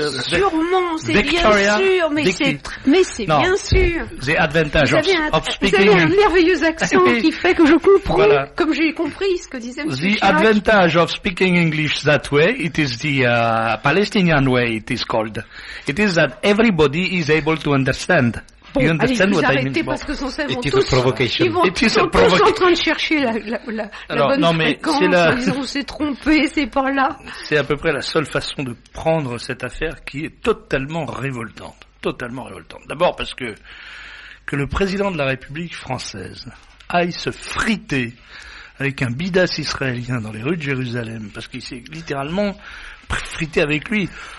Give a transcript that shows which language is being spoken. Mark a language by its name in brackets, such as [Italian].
[French] Sûrement, c'est Victoria, bien sûr, mais c'est bien sûr. [English] The advantage of speaking. [French] Vous avez un merveilleux accent qui fait que je comprends, voilà. Comme j'ai compris ce que disait Monsieur [English] Chirac. The advantage of speaking English that way, it is the Palestinian way it is called. It is that everybody is able to understand. [French] Bon, [English] you understand [French] allez, [English] what I mean? [French] Parce que son cerveau est tous, provocation. Ils sont en train de chercher la bonne fréquence. Ils ont trompé, c'est pas là. C'est à peu près la seule façon de prendre cette affaire qui est totalement révoltante. Totalement révoltante. D'abord parce que le président de la République française aille se friter avec un bidas israélien dans les rues de Jérusalem, parce qu'il s'est littéralement frité avec lui.